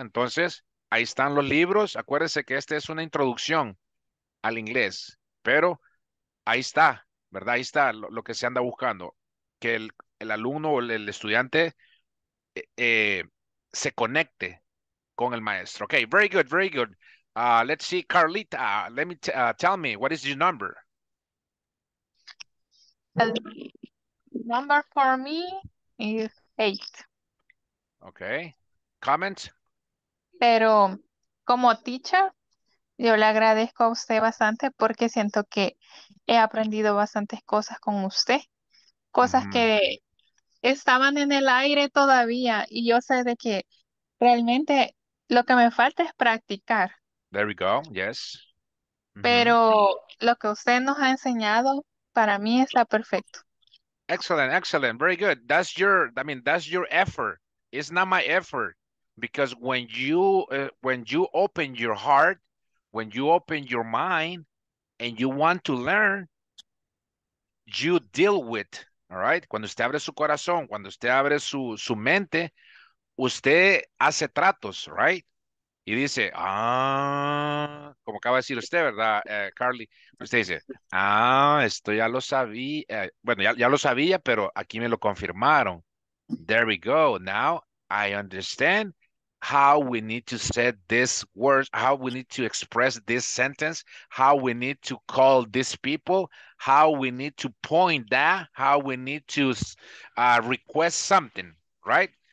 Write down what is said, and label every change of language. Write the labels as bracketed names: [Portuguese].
[Spanish] Entonces, ahí están los libros. Acuérdense que este es una introducción al inglés, pero ahí está, ¿verdad? Ahí está lo que se anda buscando, que el alumno o el estudiante se conecte con el maestro. [English] Okay, very good. Let's see, Carlita, tell me, what is your number? Number for me is 8. Okay. Comment? [Spanish] Pero como teacher, yo le agradezco a usted bastante porque siento que he aprendido bastantes cosas con usted. Cosas que estaban en el aire todavía y yo sé de que realmente lo que me falta es practicar. [English] There we go. Yes. [Spanish] Pero lo que usted nos ha enseñado para mí está perfecto. [English] Excellent. Very good. That's your effort. It's not my effort, because when you open your heart, when you open your mind and you want to learn, you deal with, all right? [Spanish] Cuando usted abre su corazón, cuando usted abre su mente, usted hace tratos, right? Y dice, como acaba de decir usted, ¿verdad, Carly? Usted dice, esto ya lo sabía. Bueno, ya lo sabía, pero aquí me lo confirmaron. [English] There we go. Now I understand how we need to say this words, how we need to express this sentence, how we need to call these people, how we need to point that, how we need to request something, right?